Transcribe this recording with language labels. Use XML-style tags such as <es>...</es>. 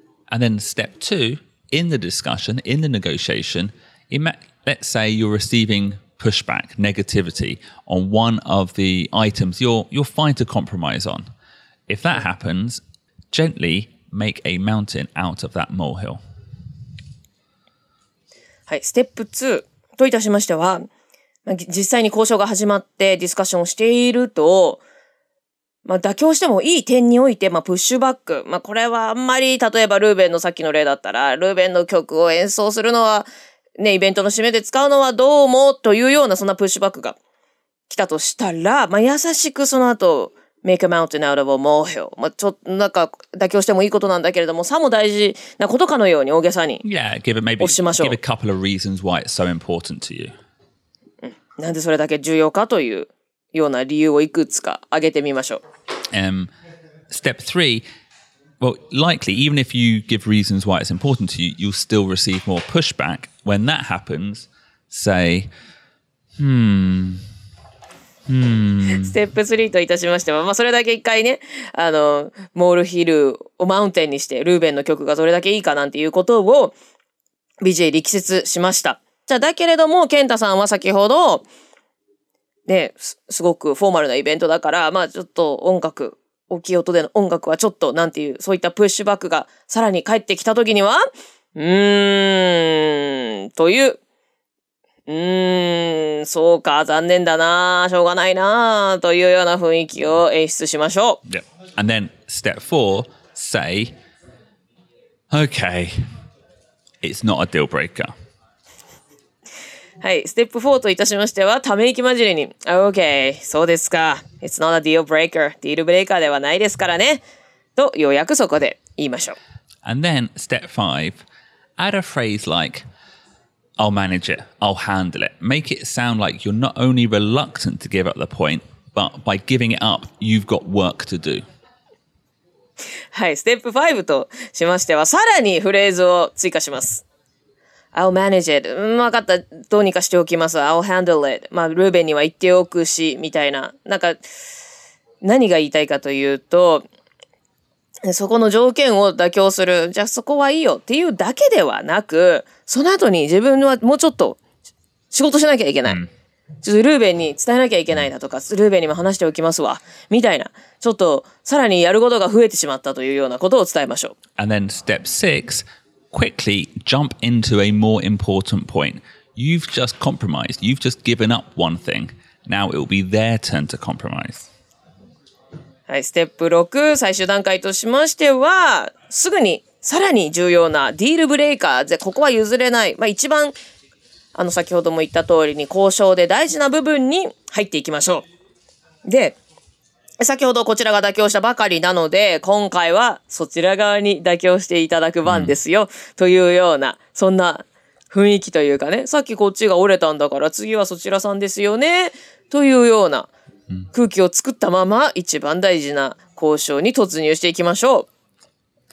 <en>And then step two, in the discussion, in the negotiation, Let's say you're receiving pushback, negativity on one of the items you're fine to compromise on. If that happens, gently make a mountain out of that molehill.</en> <ja>はい、ステップ2といたしましては、実際に交渉が始まってディスカッションをしていると、まあ、妥協してもいい点において、まあ、プッシュバック、まあ、これはあんまり例えばルーベンのさっきの例だったら、ルーベンの曲を演奏するのはね、イベントの締めで使うのはどうもというようなそんなプッシュバックが来たとしたら、まあ、優しくその後</ja> <en>make a mountain out of a molehill、</en> <ja>まあ、ちょっとなんか妥協してもいいことなんだけれどもさも大事なことかのように大げさに押しましょう。</ja> <en>Yeah, give it maybe, give a couple of reasons why it's so important to you.</en> <ja>なんでそれだけ重要かというような理由をいくつか挙げてみましょう。</ja> <en>Step 3Well, likely, even if you give reasons why it's important to you, you'll still receive more pushback. When that happens, say,</en> <ja>ステップスリーといたしましては、まあ、それだけ一回ね、あの、モールヒルをマウンテンにして、ルーベンの曲がどれだけいいかなんていうことを、BJ 力説しました。じゃあ、だけれども、ケンタさんは先ほど、ね、すごくフォーマルなイベントだから、まあ、ちょっと音楽、大きい音での音楽はちょっと、なんていう、そういったプッシュバックがさらに返ってきたときには、という、そうか、残念だな、しょうがないな、というような雰囲気を演出しましょう。</ja> <en>Yep. And then, step four, say, okay, it's not a deal breaker.</en> <ja>はい、ステップ4といたしましては、ため息交じりに、</ja> <en>okay,</en> <ja>そうですか、</ja> <en>it's not a deal breaker.</en> <ja>ディールブレーカーではないですからね。と、ようやくそこで言いましょう。</ja> <en>And then, step 5, add a phrase like,I'll manage it. I'll handle it. Make it sound like you're not only reluctant to give up the point, but by giving it up, you've got work to do.</en> <ja>はい、ステップ5としましては、さらにフレーズを追加します。</ja> <en>I'll manage it.</en> <ja>わかった。どうにかしておきます。</ja> <en>I'll handle it.</en> <ja>まあ、ルーベンには言っておくし、みたいな。なんか、何が言いたいかというと、そこの条件を妥協する。じゃあそこはいいよっていうだけではなく、その後に自分はもうちょっと仕事しなきゃいけない。ちょっとルーベンに伝えなきゃいけないだとか、ルーベンにも話しておきますわ。みたいな。ちょっとさらにやることが増えてしまったというようなことを伝えましょう。</ja> <en>And then step six, quickly jump into a more important point. You've just compromised. You've just given up one thing. Now it will be their turn to compromise.</en> <ja>はい、ステップ6、最終段階としましては、すぐに、さらに重要なディールブレイカーで、ここは譲れない。まあ一番、あの先ほども言った通りに、交渉で大事な部分に入っていきましょう。で、先ほどこちらが妥協したばかりなので、今回はそちら側に妥協していただく番ですよ、うん、というような、そんな雰囲気というかね、さっきこっちが折れたんだから次はそちらさんですよね、というような、空気を作ったまま一番大事な交渉に突入していきましょう。</ja>